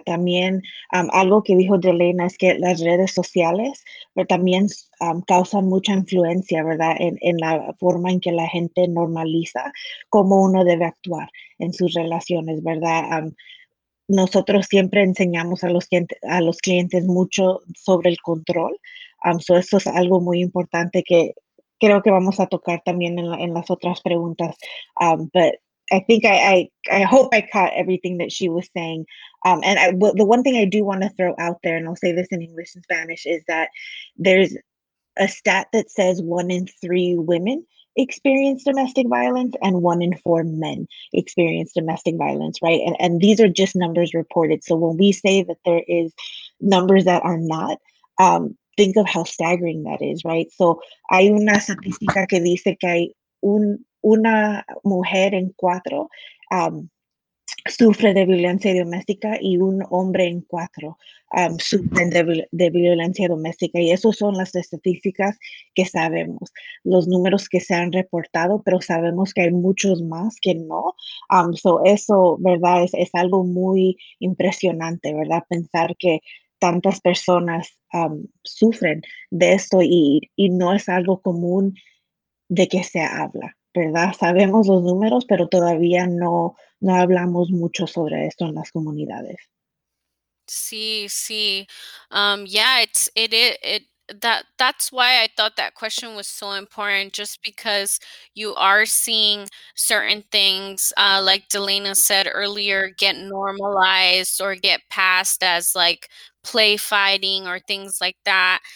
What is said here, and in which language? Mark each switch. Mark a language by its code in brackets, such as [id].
[es] También algo que dijo Delena es que las redes sociales también causan mucha influencia, ¿verdad?, en la forma en que la gente normaliza cómo uno debe actuar en sus relaciones, ¿verdad? Nosotros siempre enseñamos a los clientes mucho sobre el control. So eso es algo muy importante que creo que vamos a tocar también en las otras preguntas. [en] But I think I hope I caught everything that she was saying. The one thing I do want to throw out there, and I'll say this in English and Spanish, is that there's a stat that says 1 in 3 women experience domestic violence and 1 in 4 men experience domestic violence, right? And these are just numbers reported. So when we say that there is numbers that are not, think of how staggering that is, right? [es] So hay una estadística que dice que hay una mujer en cuatro sufre de violencia doméstica y un hombre en cuatro sufren de violencia doméstica. Y esas son las estadísticas que sabemos, los números que se han reportado, pero sabemos que hay muchos más que no. So eso, ¿verdad? Es algo muy impresionante, ¿verdad? Pensar que tantas personas sufren de esto y no es algo común de que se habla, ¿verdad? Sabemos los números, pero todavía no hablamos mucho sobre esto en las comunidades. Sí, sí. [en] That's why I thought that question was so important, just because you are seeing certain things, like Delena said earlier, get normalized or get passed as like play fighting or things like that.